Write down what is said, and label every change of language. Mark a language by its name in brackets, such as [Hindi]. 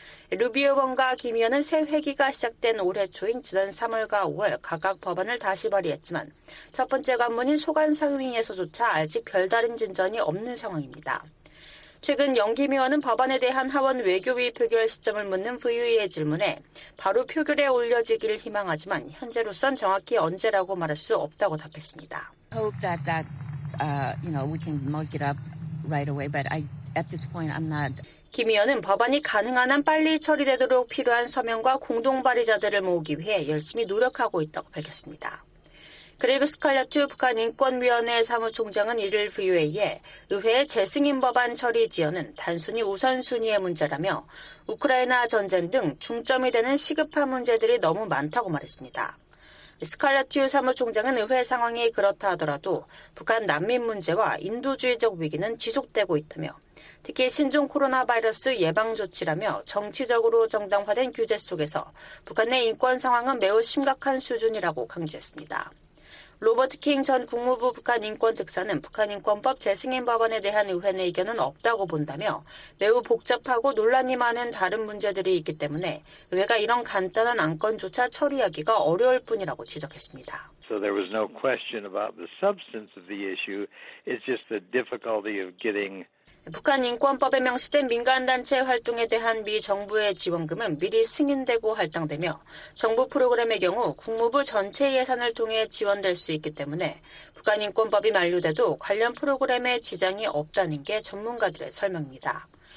[Korean] 루비오 의원과 김 의원은 새 회기가 시작된 올해 초인 지난 3월과 5월 각각 법안을 다시 발의했지만 첫 번째 관문인 소관상임위에서조차 아직 별다른 진전이 없는 상황입니다. 최근 영김 의원은 법안에 대한 하원 외교위 표결 시점을 묻는 VOA의 질문에 바로 표결에 올려지기를 희망하지만 현재로선 정확히 언제라고 말할 수 없다고 답했습니다. [English] Hope that that you know we can mark it up right away, but I at this point I'm not. [Korean] 김 의원은 법안이 가능한 한 빨리 처리되도록 필요한 서명과 공동 발의자들을 모으기 위해 열심히 노력하고 있다고 밝혔습니다. 그레그 스칼라투 북한인권위원회 사무총장은 이를 VOA에 의회의 재승인 법안 처리 지연은 단순히 우선순위의 문제라며 우크라이나 전쟁 등 중점이 되는 시급한 문제들이 너무 많다고 말했습니다. 스칼라투 사무총장은 의회 상황이 그렇다 하더라도 북한 난민 문제와 인도주의적 위기는 지속되고 있다며 특히 신종 코로나 바이러스 예방 조치라며 정치적으로 정당화된 규제 속에서 북한의 인권 상황은 매우 심각한 수준이라고 강조했습니다. 로버트 킹 전 국무부 북한인권특사는 북한인권법 재승인 법안에 대한 의회의 의견은 없다고 본다며 매우 복잡하고 논란이 많은 다른 문제들이 있기 때문에 의회가 이런 간단한 안건조차 처리하기가 어려울 뿐이라고 지적했습니다. [English] So there was no question about the substance of the issue. It's just the difficulty of getting [Korean] 북한 인권법에 명시된 민간단체 활동에 대한 미 정부의 지원금은 미리 승인되고 할당되며 정부 프로그램의 경우 국무부 전체 예산을 통해 지원될 수 있기 때문에 북한 인권법이 만료돼도 관련 프로그램에 지장이 없다는 게 전문가들의 설명입니다.